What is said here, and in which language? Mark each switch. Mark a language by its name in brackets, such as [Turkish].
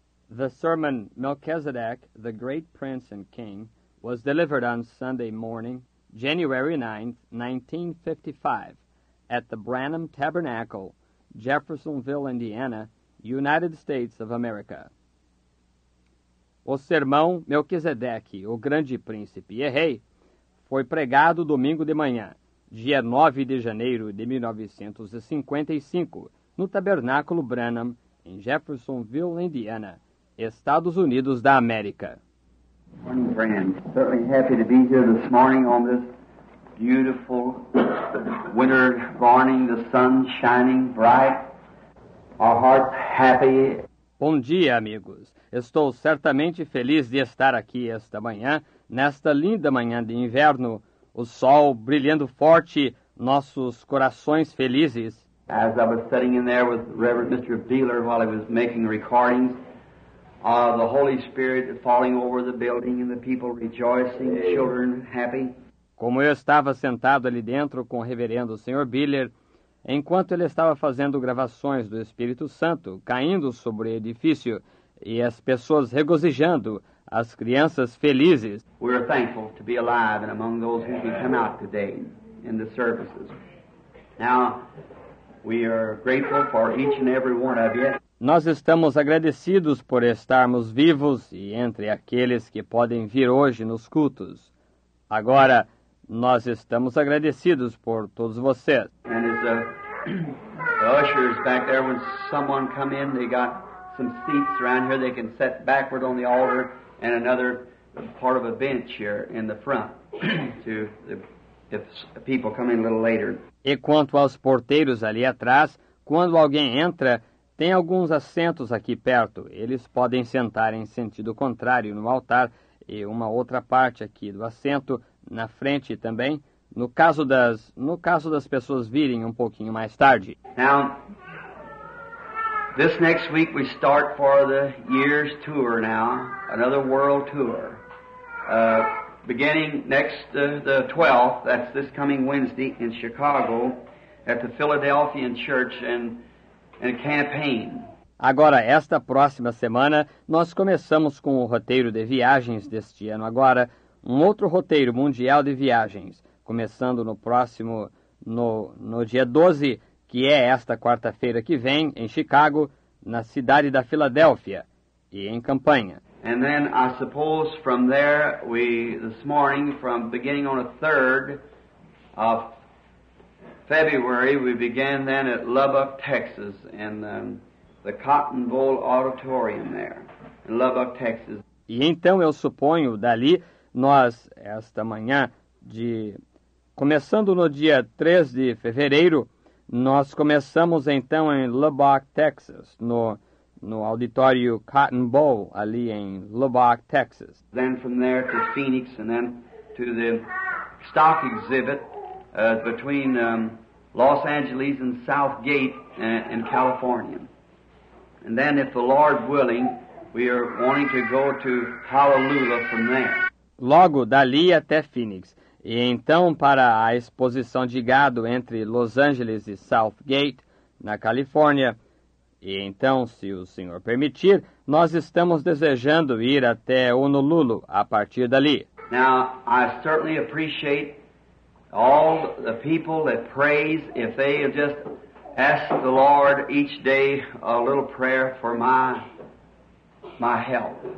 [English] The sermon, Melchizedek, the Great Prince and King, was delivered on Sunday morning, January 9, 1955, at the Branham Tabernacle, Jeffersonville, Indiana, United States of America. [Portuguese] O sermão Melquisedec, o Grande Príncipe e Rei, foi pregado domingo de manhã, dia 9 de janeiro de 1955, no Tabernáculo Branham, em Jeffersonville, Indiana, Estados Unidos da América. [English] Good morning, friends. Certainly happy to be here this morning on this beautiful winter morning, the sun shining bright, our hearts happy. [Portuguese] Bom dia, amigos. Estou certamente feliz de estar aqui esta manhã, nesta linda manhã de inverno, o sol brilhando forte, nossos corações felizes. [English] As I was sitting in there with Reverend Mr. Beeler while he was making recordings, the Holy Spirit falling over the building and the people rejoicing, the children happy. [Portuguese] Como eu estava sentado ali dentro com o reverendo Sr. Beeler, enquanto ele estava fazendo gravações do Espírito Santo, caindo sobre o edifício, e as pessoas regozijando, as crianças felizes. [English] We are thankful to be alive and among those who can come out today in the services. Now, we are grateful for each and every one of you. [Portuguese] Nós estamos agradecidos por estarmos vivos e entre aqueles que podem vir hoje nos cultos. Agora, nós estamos agradecidos por todos vocês. [English] And as the ushers back there, when someone come in, they got some seats around here, they can sit backward on the altar and another part of a bench here in the front to the, if people come in a little later. [Portuguese] E quanto aos porteiros ali atrás, quando alguém entra, tem alguns assentos aqui perto. Eles podem sentar em sentido contrário no altar e uma outra parte aqui do assento na frente também, no caso das pessoas virem um pouquinho mais tarde. [English] Now, this next week we start for the year's tour now, another world tour. Beginning next the 12th, that's this coming Wednesday in Chicago at the Philadelphian Church and a campaign. [Portuguese] Agora, esta próxima semana, nós começamos com o roteiro de viagens deste ano agora, um outro roteiro mundial de viagens, começando no próximo, no dia 12, que é esta quarta-feira que vem, em Chicago, na cidade da Filadélfia, e em campanha. [English] And then, I suppose, from there, we, this morning, from beginning on the 3rd of February, we began then at Lubbock, Texas, in the Cotton Bowl Auditorium there, in Lubbock, Texas. [Portuguese] E então, eu suponho, dali, nós, esta manhã, de começando no dia 3 de fevereiro, nós começamos, então, em Lubbock, Texas, no auditório Cotton Bowl, ali em Lubbock, Texas. [English] Then from there to Phoenix, and then to the stock exhibit between Los Angeles and Southgate in California. And then, if the Lord willing, we are wanting to go to Honolulu from there. [Portuguese] Logo dali até Phoenix, e então para a exposição de gado entre Los Angeles e Southgate, na Califórnia. E então, se o senhor permitir, nós estamos desejando ir até Honolulu a partir dali. [English] Now, I certainly appreciate all the people that praise, if they just ask the Lord each day a little prayer for my health.